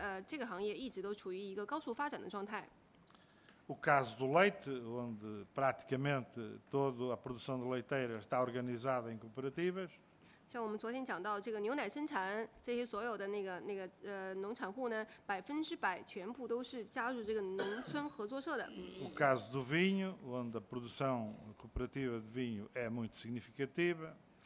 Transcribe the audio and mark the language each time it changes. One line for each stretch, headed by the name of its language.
Chinese: 农副产品加工业呢，这个行业一直都处于一个高速发展的状态。
Portuguese: O caso do leite, onde praticamente toda a produção de leiteira está organizada em cooperativas.
Chinese: 像我们昨天讲到这个牛奶生产，这些所有的那个农产户呢，100%全部都是加入这个农村合作社的。
Portuguese: O caso do vinho, onde a produção cooperativa de vinho é muito significativa.